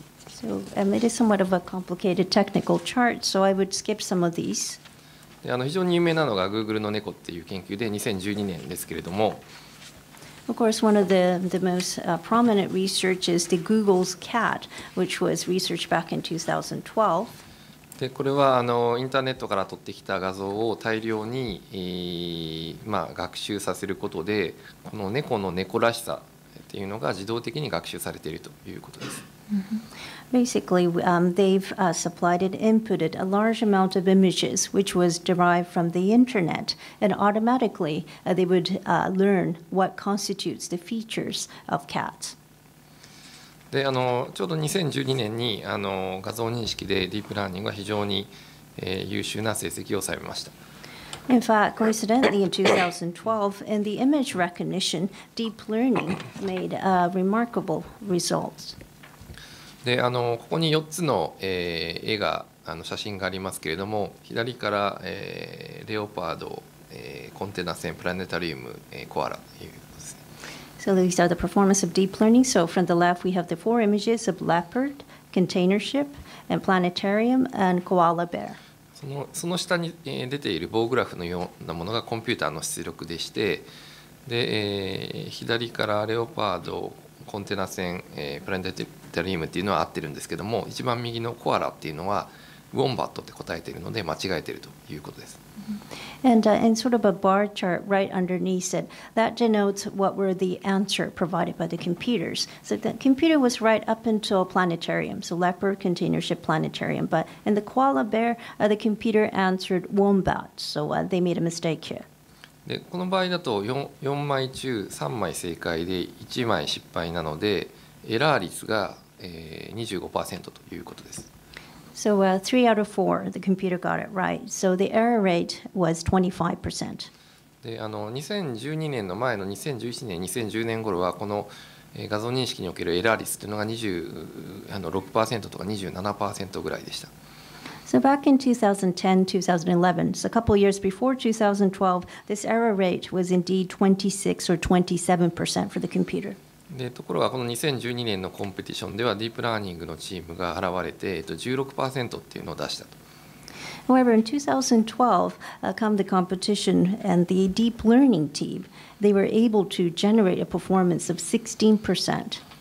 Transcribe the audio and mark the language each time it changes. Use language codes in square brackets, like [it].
[en] So it is somewhat of a complicated technical chart, so I would skip some of these. [ja] で非常に有名なのが Google の猫っていう研究で2012年ですけれども、 [en] Of course, one of the most prominent research is the Google's cat, which was researched back in 2012. [ja] でこれはインターネットから取ってきた画像を大量に、学習させることで、この猫の猫らしさっていうのが自動的に学習されているということです。 [en] Basically, they've supplied and inputted a large amount of images, which was derived from the internet, and automatically they would learn what constitutes the features of cats. [ja] で、ちょうど2012年に画像認識でディープラーニングは非常に優秀な成績を収めました。 [en] In fact, coincidentally, in 2012, in the image recognition, deep learning made a remarkable result. [ja] でここに4つの、絵が写真がありますけれども、左から、レオパード、コンテナ船、プラネタリウム、コアラということですね。 [en] So these are the performance of deep learning. So from the left we have the four images of leopard, container ship, and planetarium and koala bear. [ja] その下に出ている棒グラフのようなものがコンピューターの出力でして、で、左からレオパード、コンテナ船、プラネタリウムタリウムっていうのは合ってるんですけども、一番右のコアラっていうのはウォンバットって答えているので間違えているということです。 [en] And in sort of a bar chart right underneath it, that denotes what were the answer provided by the computers. So the computer was right up until planetarium, so leopard, container ship, planetarium, but in the koala bear, the computer answered wombat, so they made a mistake here. [ja] でこの場合だと 4枚中3枚正解で1枚失敗なので、エラー率が 25% ということです。 [en] So 3 out of 4 the computer got it right. So the error rate was 25%. [ja] で2012年の前の2011年2010年頃はこの画像認識におけるエラー率というのが26% とか 27% ぐらいでした。 [en] So back in 2010-2011, so a couple years before 2012, this error rate was indeed 26 or 27% for the computer. [ja] でところがこの2012年のコンペティションではディープラーニングのチームが現れて 16% っていうのを出したと。 [en] However, in 2012, come the competition and the deep learning team, they were able to generate a performance of 16%.